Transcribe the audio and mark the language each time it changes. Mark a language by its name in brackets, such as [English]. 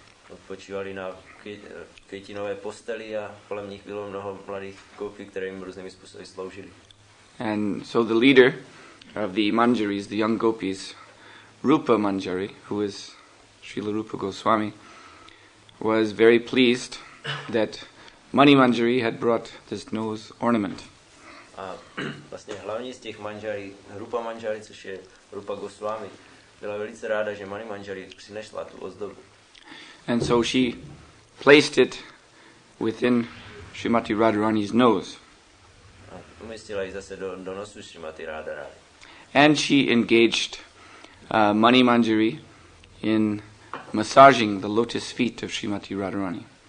[Czech] Odpočívali na květinové posteli a kolem nich bylo mnoho mladých gopi, které jim různými způsoby sloužili. [English] And so the leader of the manjaris, the young gopis, Rupa Manjari, who is Srila Rupa Goswami, was very pleased that Mani Manjari had brought this nose ornament. [Czech] A vlastně hlavní z těch manjari, Rupa Manjari, což je Rupa Goswami, byla velice ráda, že Mani Manjari přinesla tu ozdobu. [English] And so she placed it within Srimati Radharani's nose. [Czech] A umístila ji zase do nosu Srimati Radharani. [English] And she engaged Mani Manjari in massaging the lotus feet of Srimati Radharani.